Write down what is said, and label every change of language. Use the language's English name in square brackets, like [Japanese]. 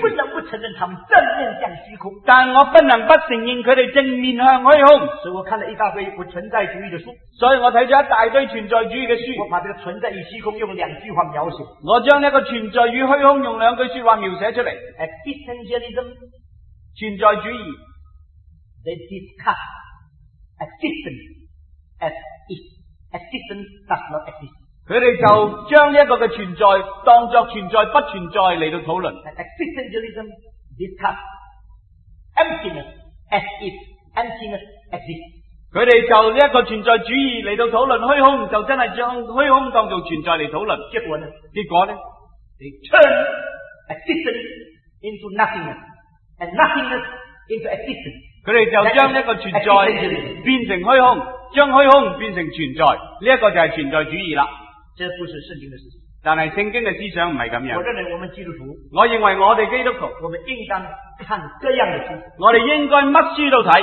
[Chinese] 不能不承认他们正面向虚空，但我不能不承认他们正面向虚空。所以我看了一大堆不存在主义的书，所以我看了一大堆存在主义的书。我把这个存在与虚空用两句话描写。我将这个存在与虚空用两句说话描写出来。 [English] Existentialism， [Chinese] 存在主义。 [English] They discuss existence as if existence does not exist。 [Chinese] 他们就将这个的存在当作存在不存在来讨论。 [English] Existentialism discuss emptiness as if emptiness exists。 [Chinese] 他们就这个存在主义来讨论虚空，就真的将虚空当作存在来讨论。结果呢？结果呢？ [English] They turn existence into nothingness and nothingness into existence。 [Chinese] 他们就将这个存在变成虚空，将虚空变成存在，这个就是存在主义了。这不是圣经的思想，但是圣经的思想不是这样。我认为我们基督徒，我认为我们基督徒，我们应当看各样的书，我们应该乜书都看，